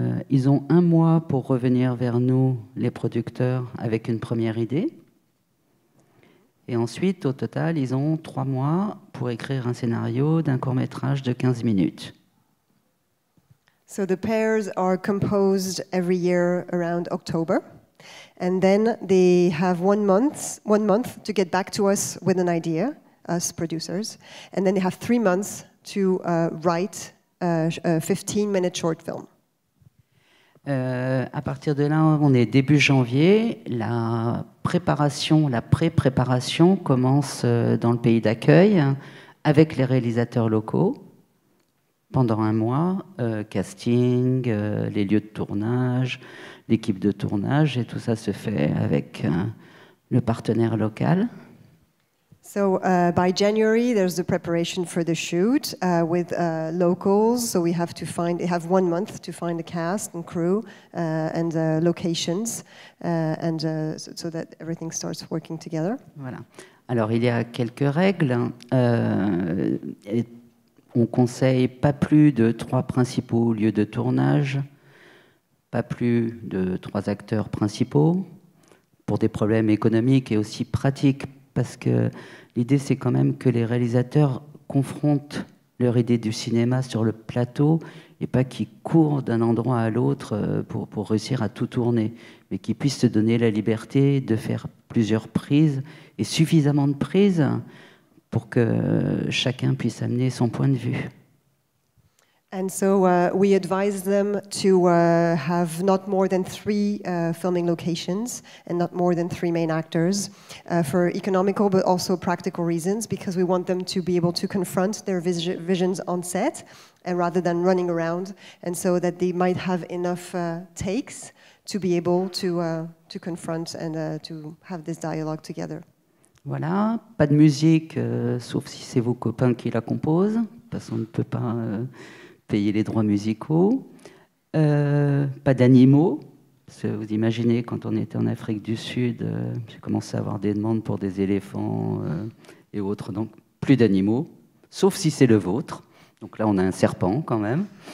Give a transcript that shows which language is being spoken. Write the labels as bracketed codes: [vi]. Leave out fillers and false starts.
[fr] Ils ont un mois pour revenir vers nous, les producteurs, avec une première idée. Et ensuite, au total, ils ont 3 mois pour écrire un scénario d'un court-métrage de 15 minutes. [en] So the pairs are composed every year around October. And then they have one month to get back to us with an idea, us producers. And then they have 3 months to write a 15-minute short film. [fr] À partir de là, on est début janvier, la pré-préparation commence dans le pays d'accueil avec les réalisateurs locaux pendant un mois, casting, les lieux de tournage, l'équipe de tournage, et tout ça se fait avec le partenaire local. [en] So by January, there's the preparation for the shoot with locals. So we have to find, we have 1 month to find the cast and crew and locations, and so that everything starts working together. [fr] Voilà. Alors, il y a quelques règles. On conseille pas plus de 3 principaux lieux de tournage, pas plus de 3 acteurs principaux, pour des problèmes économiques et aussi pratiques, parce que l'idée, c'est quand même que les réalisateurs confrontent leur idée du cinéma sur le plateau et pas qu'ils courent d'un endroit à l'autre pour réussir à tout tourner, mais qu'ils puissent se donner la liberté de faire plusieurs prises et suffisamment de prises pour que chacun puisse amener son point de vue. [en] And so we advise them to have not more than 3 filming locations and not more than 3 main actors for economical but also practical reasons, because we want them to be able to confront their visions on set and rather than running around, and so that they might have enough takes to be able to confront and to have this dialogue together. [fr] Voilà, pas de musique sauf si c'est vos copains qui la composent, parce qu'on ne peut pas payer les droits musicaux, pas d'animaux, parce que vous imaginez, quand on était en Afrique du Sud, j'ai commencé à avoir des demandes pour des éléphants et autres, donc plus d'animaux, sauf si c'est le vôtre, donc là on a un serpent quand même,